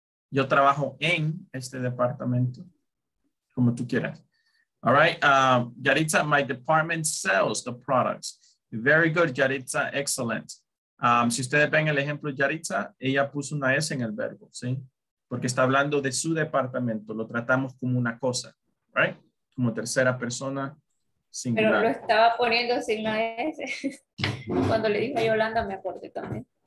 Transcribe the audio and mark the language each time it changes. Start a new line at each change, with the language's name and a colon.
Spanish: Yo trabajo en este departamento, como tú quieras.
English: All right, Yaritza, my department sells the products. Very good, Yaritza, excellent.
Spanish: Si ustedes ven el ejemplo de Yaritza, ella puso una S en el verbo, ¿sí? Porque está hablando de su departamento, lo tratamos como una cosa, right? Como tercera persona singular. Pero lo estaba poniendo sin la S. Cuando le dije a Yolanda, me acordé también.